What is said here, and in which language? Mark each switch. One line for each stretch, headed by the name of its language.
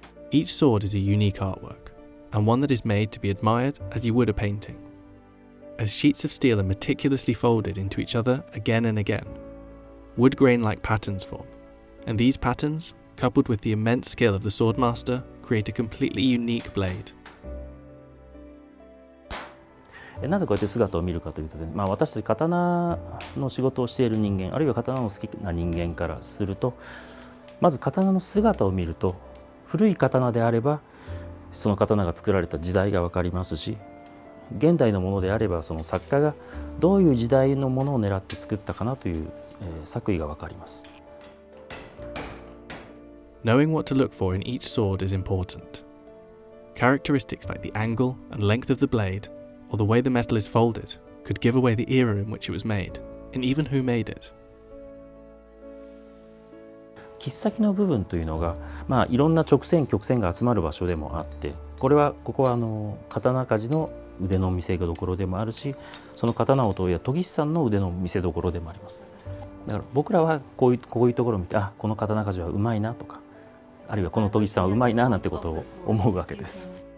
English: Each sword is a unique artwork, and one that is made to be admired as you would a painting. As sheets of steel are meticulously folded into each other again and again, wood grain-like patterns form, and these patterns, coupled with the immense skill of the swordmaster, create a completely unique blade.
Japanese: なぜこうやって姿を見るかというと、まあ、私たち刀の仕事をしている人間、あるいは刀の好きな人間からすると、まず刀の姿を見ると、古い刀であれば、その刀が作られた時代が分かりますし、現代のものであれば、その作家がどういう時代のものを狙って作ったかなという、作為が分かります。
English: Knowing what to look for in each sword is important. Characteristics like the angle and length of the blade, or the way the metal is folded, could give away the era in which it was made, and even who made it.
Japanese: 切先の部分というのが、まあ、いろんな直線曲線が集まる場所でもあって、これはここはあの刀鍛冶の腕の見せ所でもあるし、その刀を研いだ研ぎ師さんの腕の見せ所でもあります。だから僕らはこういうところを見て、あ、この刀鍛冶はうまいなとか、あるいはこの研ぎ師さんはうまいななんてことを思うわけです。